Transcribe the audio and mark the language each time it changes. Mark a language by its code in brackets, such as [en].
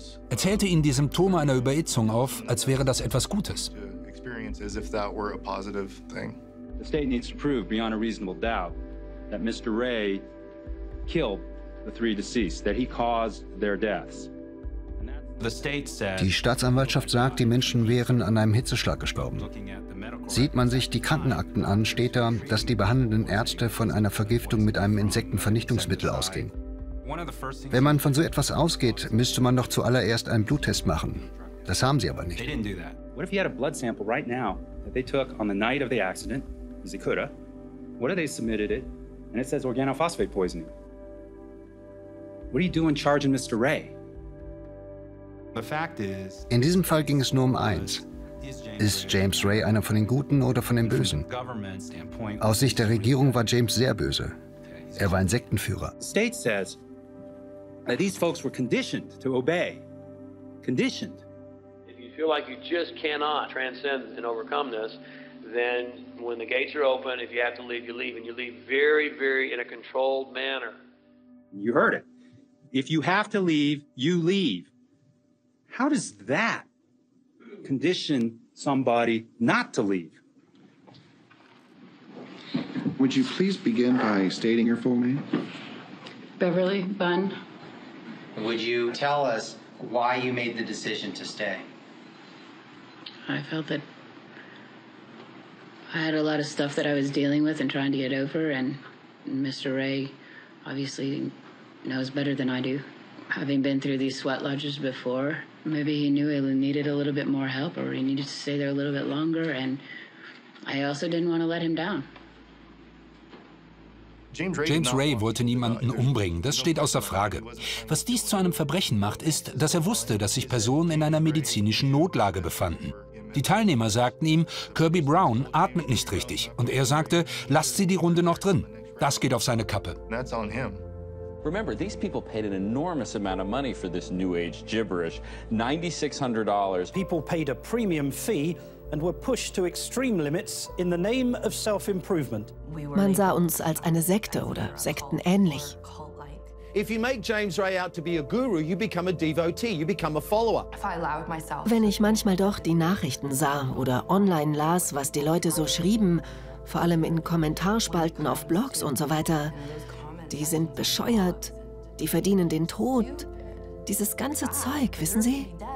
[de] Er zählte ihnen die Symptome einer Überhitzung auf, als wäre das etwas Gutes. [en] As if that were a positive thing. The state needs to prove beyond a reasonable doubt that Mr. Ray killed the 3 deceased, that he caused their deaths. The state said. [de] Die Staatsanwaltschaft sagt, die Menschen wären an einem Hitzeschlag gestorben. Sieht man sich die Krankenakten an, steht da, dass die behandelnden Ärzte von einer Vergiftung mit einem Insektenvernichtungsmittel ausgehen. Wenn man von so etwas ausgeht, müsste man doch zuallererst einen Bluttest machen. Das haben sie aber nicht. [en] What if he had a blood sample right now that they took on the night of the accident, as he could have? What if they submitted it and it says organophosphate poisoning? What are you doing charging Mr. Ray? The fact is, [de] in diesem Fall ging es nur um eins. Ist James Ray einer von den Guten oder von den Bösen? Aus Sicht der Regierung war James sehr böse. Er war ein Sektenführer. [en] The state says that these folks were conditioned to obey. Conditioned. Feel like you just cannot transcend and overcome this, then when the gates are open, if you have to leave, you leave, and you leave very, very in a controlled manner. You heard it. If you have to leave, you leave. How does that condition somebody not to leave? Would you please begin by stating your full name? Beverly Bunn. Would you tell us why you made the decision to stay? I felt that I had a lot of stuff that I was dealing with and trying to get over, and Mr. Ray obviously knows better than I do. Having been through these sweat lodges before, maybe he knew he needed a little bit more help, or he needed to stay there a little bit longer, and I also didn't want to let him down. [de] James Ray wollte niemanden umbringen, das steht außer Frage. Was dies zu einem Verbrechen macht, ist, dass er wusste, dass sich Personen in einer medizinischen Notlage befanden. Die Teilnehmer sagten ihm, Kirby Brown atmet nicht richtig. Und er sagte, lasst sie die Runde noch drin. Das geht auf seine Kappe. [en] Remember, these people paid an enormous amount of money for this new age gibberish. $9,600. People paid a premium fee and were pushed to extreme limits in the name of self-improvement. [de] Man sah uns als eine Sekte oder sektenähnlich. [en] If you make James Ray out to be a guru, you become a devotee, you become a follower. [de] Wenn ich manchmal doch die Nachrichten sah oder online las, was die Leute so schrieben, vor allem in Kommentarspalten auf Blogs und so weiter, die sind bescheuert, die verdienen den Tod, dieses ganze Zeug, wissen Sie?